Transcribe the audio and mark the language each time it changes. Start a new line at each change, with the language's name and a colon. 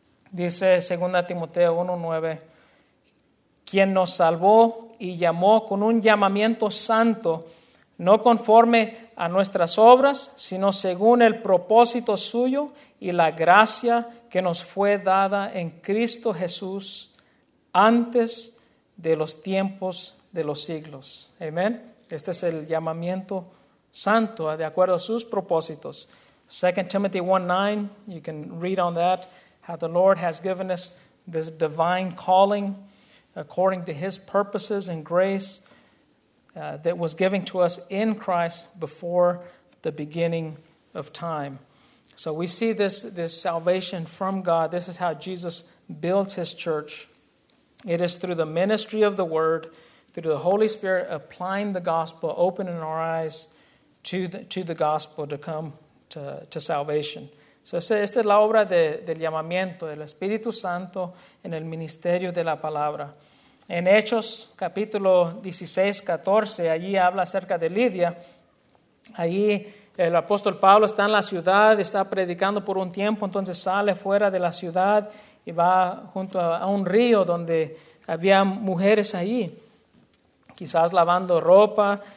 Spanish: Dice 2 Timoteo 1:9, quien nos salvó y llamó con un llamamiento santo, no conforme a nuestras obras, sino según el propósito suyo y la gracia que nos fue dada en Cristo Jesús antes de los tiempos de los siglos. Amén. Este es el llamamiento santo de acuerdo a sus propósitos.
English: 2 Timothy 1:9, you can read on that, how the Lord has given us this divine calling according to his purposes and grace that was given to us in Christ before the beginning of time. So we see this salvation from God. This is how Jesus builds his church. It is through the ministry of the word, through the Holy Spirit applying the gospel, opening our eyes to the gospel to come to salvation.
Spanish: So, esta es la obra del llamamiento del Espíritu Santo en el ministerio de la palabra. En Hechos capítulo 16, 14, allí habla acerca de Lidia. Allí el apóstol Pablo está en la ciudad, está predicando por un tiempo, entonces sale fuera de la ciudad y va junto a un río donde había mujeres allí, quizás lavando ropa.